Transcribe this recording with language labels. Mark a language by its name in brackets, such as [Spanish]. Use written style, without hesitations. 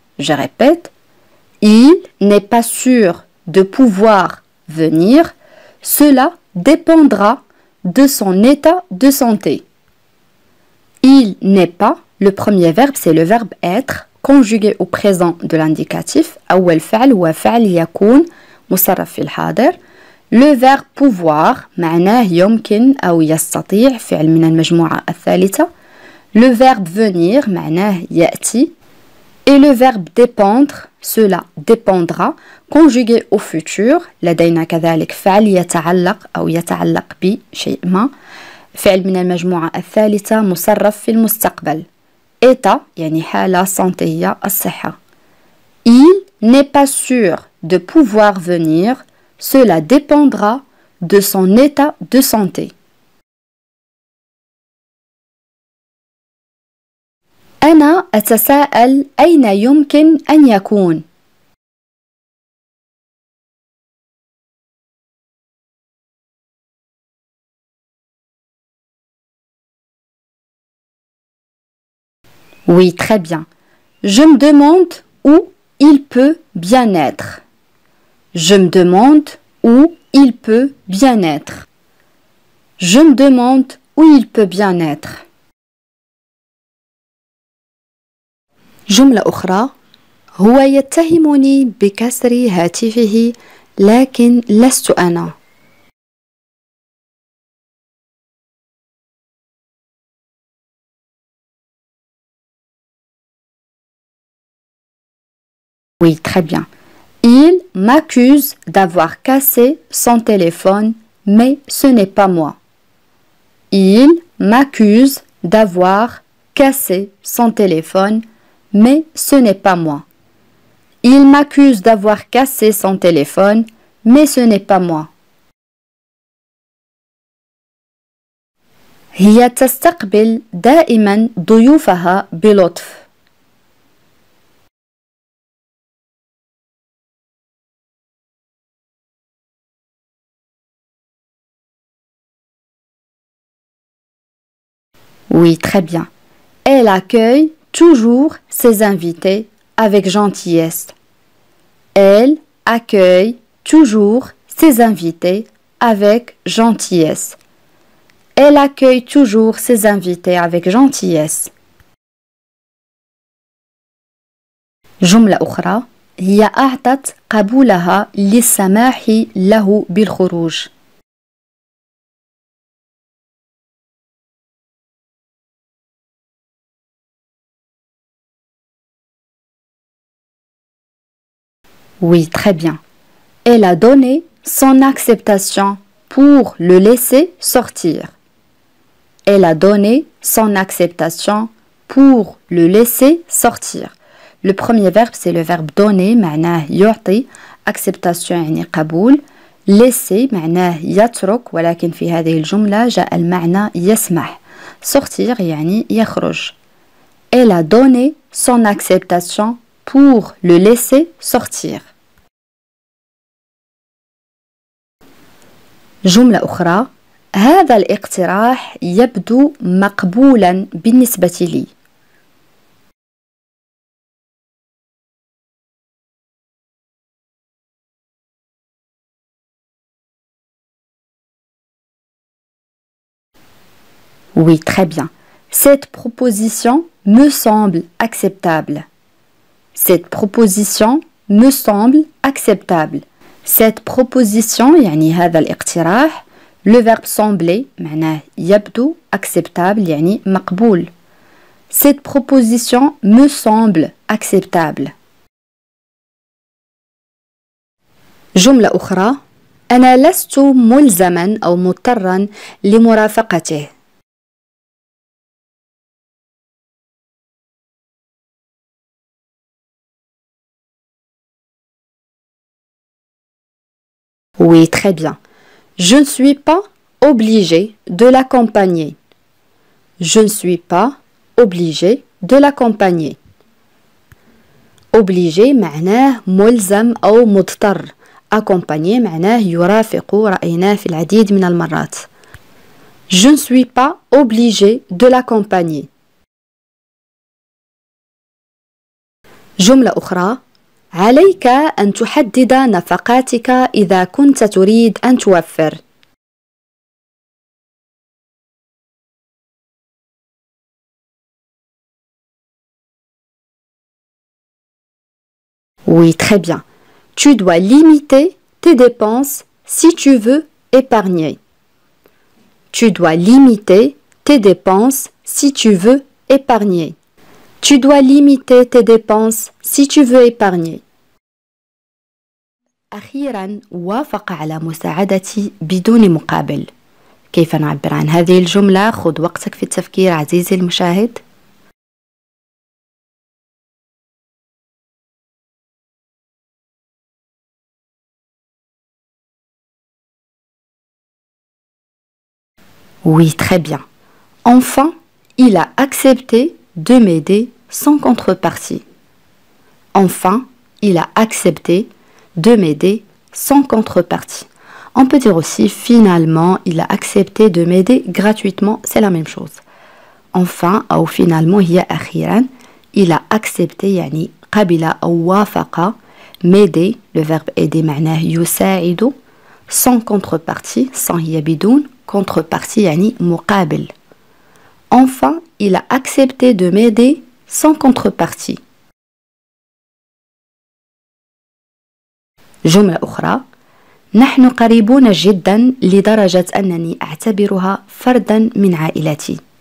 [French] Je répète, il n'est pas sûr de pouvoir venir, cela dépendra de son état de santé. Il n'est pas, le premier verbe, c'est le verbe être, conjugué au présent de l'indicatif, [Arabic] أول فعل هو فعل يكون مصرف في الحاضر. [French] Le verbe pouvoir, [Arabic] معناه يمكن أو يستطيع, فعل من المجموعة الثالثة. [French] Le verbe venir, [Arabic] معناه يأتي. [French] Et le verbe dépendre, cela dépendra, conjugué au futur. [Arabic] لدينا كذلك فعل يتعلق أو يتعلق بشيء ما. فعل من المجموعة الثالثة, مصرف في المستقبل. État, يعني حالة صحية الصحة. [French] Il n'est pas sûr de pouvoir venir. Cela dépendra de son état de santé. [Arabic] أنا أتساءل أين يمكن أن يكون؟ [French] Oui, très bien. Je me demande où il peut bien être. Je me demande où il peut bien être. Je me demande Oui, il peut bien être. [Arabic] جملة أخرى: هو يتهمني بكسر هاتفه، لكن لست أنا. [French] Oui, très bien. Il m'accuse d'avoir cassé son téléphone, mais ce n'est pas moi. Il m'accuse d'avoir cassé son téléphone, mais ce n'est pas moi. Il m'accuse d'avoir cassé son téléphone, mais ce n'est pas moi. [Arabic] هي تستقبل دائما ضيوفها بلطف. [French] Oui, très bien. Elle accueille toujours ses invités avec gentillesse. Elle accueille toujours ses invités avec gentillesse. Elle accueille toujours ses invités avec gentillesse. [Arabic] جملة أخرى: هي أعطت قبولها للسماح له بالخروج. [French] Oui, très bien. Elle a donné son acceptation pour le laisser sortir. Elle a donné son acceptation pour le laisser sortir. Le premier verbe, c'est le verbe donner, [Arabic] معناه يعطي, acceptation, يعني قبول, laisser, معناه يترك, ولكن في هذه الجملة جاء المعنى يسمح, sortir, يعني يخرج. [French] Elle a donné son acceptation pour le laisser sortir. [Arabic] جملة أخرى: هذا الاقتراح يبدو مقبولا بالنسبة لي. [French] Oui, très bien. Cette proposition me semble acceptable. Cette proposition me semble acceptable. Cette proposition, [Arabic] يعني هذا الاقتراح, [French] le verbe sembler, [Arabic] معناه يبدو, acceptable, يعني مقبول. [French] Cette proposition me semble acceptable. [Arabic] جملة أخرى: أنا لست ملزما أو مضطرا لمرافقته. [French] Oui, très bien. Je ne suis pas obligée de l'accompagner. Je ne suis pas obligée de l'accompagner. [Arabic] Obligée, معناه ملزم أو مضطر. Accompagner, معناه يرافق, رأيناه في العديد من المرات. [French] Je ne suis pas obligée de l'accompagner. [Arabic] جملة أخرى: عليك أن تحدد نفقاتك إذا كنت تريد أن توفر. [French] Oui, très bien. Tu dois limiter tes dépenses si tu veux épargner. Tu dois limiter tes dépenses si tu veux épargner. Tu dois limiter tes dépenses si tu veux épargner. [Arabic] أخيرا وافق على مساعدتي بدون مقابل. كيف نعبر عن هذه الجملة؟ خذ وقتك في التفكير عزيزي المشاهد. [French] Oui, très bien. Enfin, il a accepté de m'aider sans contrepartie. Enfin, il a accepté de m'aider sans contrepartie. On peut dire aussi, finalement, il a accepté de m'aider gratuitement, c'est la même chose. Enfin, ou finalement, il a accepté, [Arabic] yani, qabila [French] ou wafaqa, m'aider, le verbe aider, [Arabic] معناه يساعد, [French] sans contrepartie, sans yabidoun, [Arabic] contrepartie يعني مقابل. [French] Enfin, il a accepté de m'aider sans contrepartie. [Arabic] جملة أخرى. نحن قريبون جدا لدرجة أنني أعتبرها فردا من عائلتي.